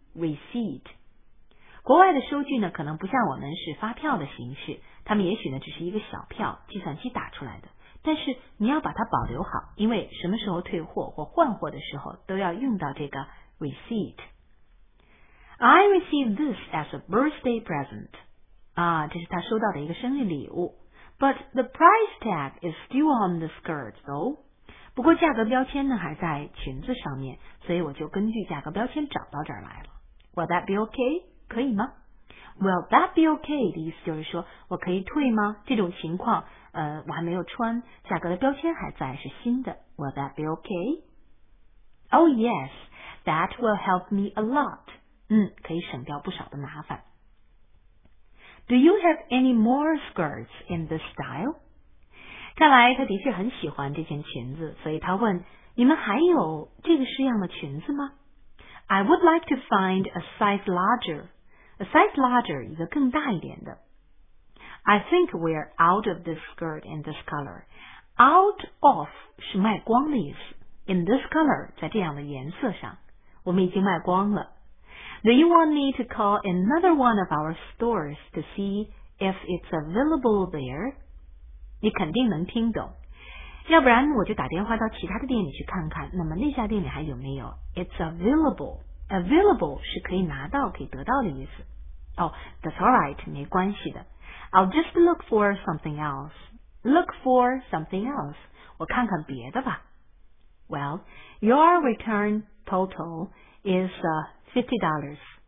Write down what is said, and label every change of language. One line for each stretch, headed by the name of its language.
Chinese: Receipt， 国外的收据呢，可能不像我们是发票的形式，他们也许呢只是一个小票，计算机打出来的。但是你要把它保留好，因为什么时候退货或换货的时候都要用到这个 receipt。
English: I received this as a birthday present。
Chinese: 啊，这是他收到的一个生日礼物。
English: But the price tag is still on the skirt, though。
Chinese: 不过价格标签呢还在裙子上面，所以我就根据价格标签找到这儿来了。
English: Will that be okay?
Chinese: 可以吗
English: ？Will that be okay?
Chinese: 的意思就是说，我可以退吗？这种情况，我还没有穿，价格的标签还在，是新的。
English: Will that be okay? Oh yes, that will help me a lot.
Chinese: 嗯，可以省掉不少的麻烦。
English: Do you have any more skirts in this style?
Chinese: 看来他的确很喜欢这件裙子，所以他问：你们还有这个式样的裙子吗？
English: I would like to find a size larger. A size larger
Chinese: 一个更大一点的。
English: I think we're out of this skirt in this color.
Chinese: Out of 是卖光的意思。
English: In this color
Chinese: 在这样的颜色上，我们已经卖光了。
English: Do you want me to call another one of our stores to see if it's available there?
Chinese: 你肯定能听懂。要不然我就打电话到其他的店里去看看，那么那家店里还有没有。
English: It's available.
Chinese: Available 是可以拿到，可以得到的意思。
English: Oh, that's alright,
Chinese: 没关系的。
English: I'll just look for something else. Look for something else.
Chinese: 我看看别的吧。
English: Well, your return total is $50.